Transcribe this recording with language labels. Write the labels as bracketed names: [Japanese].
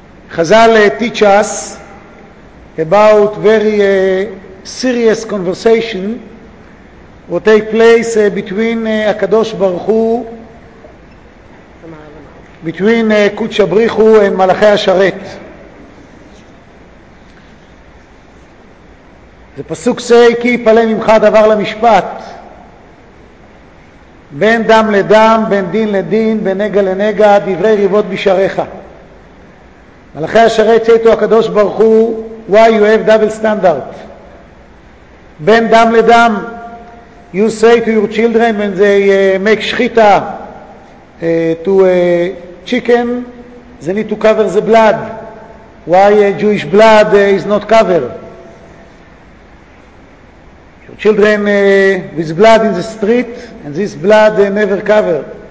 [English] Chazal teach us about very serious conversation will take place between HaKadosh Baruch Hu, between Kudsha Brich Hu and Malachi HaSharet. The Pasuk say, Ki Yipale Mimcha Davar LaMishpat. [Hebrew] בין דם לדם, בין דין לדין, בין נגע לנגע, דברי ריבות בשעריך. מלאכי השרת שאיתו הקדוש ברוך הוא, [English] why you have double standard? [Hebrew] בין דם לדם, [English] you say to your children when they make שחיטה to chicken, they need to cover the blood. Why Jewish blood is not covered? Children with blood in the street, and this blood never cover.